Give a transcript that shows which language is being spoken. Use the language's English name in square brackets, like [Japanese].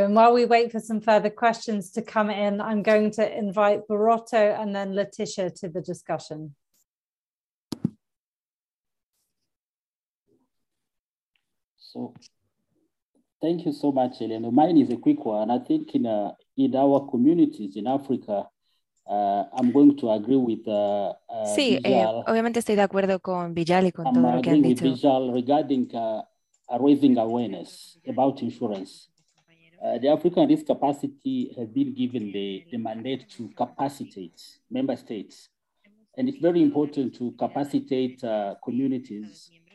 [English] And while we wait for some further questions to come in, I'm going to invite Barotto and then Letitia to the discussion. So thank you so much, Eleanor. Mine is a quick one. I think in our communities in Africa, I'm going to agree with [Spanish] sí, Bijal. Obviamente estoy de acuerdo con Bijal y con todo lo que han dicho. [English] I'm agreeing with Bijal regarding raising awareness about insurance. The African Risk Capacity has been given the mandate to capacitate member states. And it's very important to capacitate communities.